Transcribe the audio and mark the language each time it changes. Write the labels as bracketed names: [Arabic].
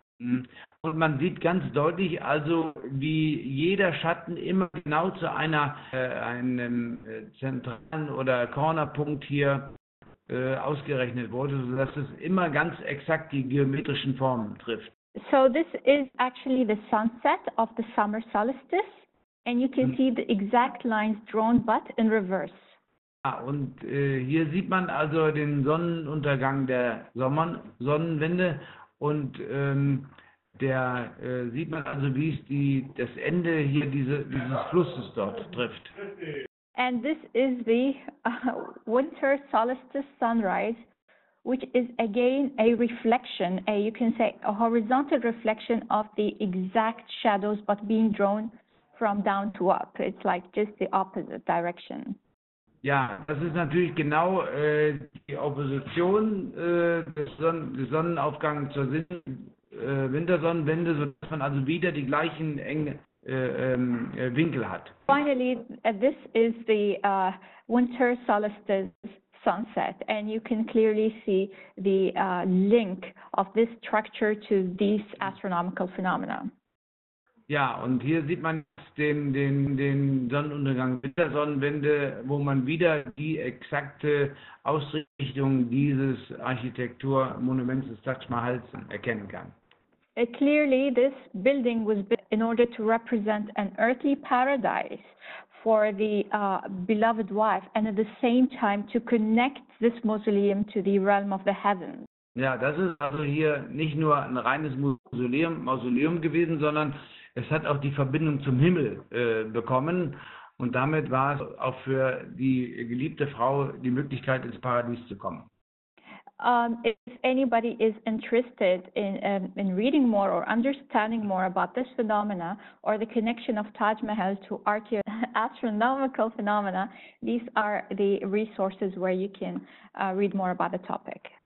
[German] Und man sieht ganz deutlich also, wie jeder Schatten immer genau zu einer einem zentralen oder Cornerpunkt hier ausgerechnet wurde, sodass es immer ganz exakt die geometrischen Formen trifft. [English] So this is actually the sunset of the summer solstice and you can see the exact lines drawn but in reverse. [German] Ah, und hier sieht man also den Sonnenuntergang der Sonnenwende und sieht man also, wie es das Ende hier dieses Flusses dort trifft. [English] And this is the winter solstice sunrise, which is again a reflection, a, you can say, a horizontal reflection of the exact shadows, but being drawn from down to up. It's like just the opposite direction. [German] Ja, das ist natürlich genau die Opposition des Sonnenaufgangs zur Wintersonnenwende, sodass man also wieder die gleichen engen Winkel hat. [English] Finally, this is the winter solstice sunset, and you can clearly see the link of this structure to these astronomical phenomena. [German] Ja, und hier sieht man den Sonnenuntergang, Wintersonnenwende, wo man wieder die exakte Ausrichtung dieses Architekturmonuments des Taj Mahal erkennen kann. [English] Clearly, this building was built in order to represent an earthly paradise for the beloved wife, and at the same time to connect this mausoleum to the realm of the heavens. [German] Ja, das ist also hier nicht nur ein reines Mausoleum gewesen, sondern es hat auch die Verbindung zum Himmel bekommen, und damit war es auch für die geliebte Frau die Möglichkeit, ins Paradies zu kommen. [English] If anybody is interested in reading more or understanding more about this phenomena or the connection of Taj Mahal to astronomical phenomena, these are the resources where you can read more about the topic.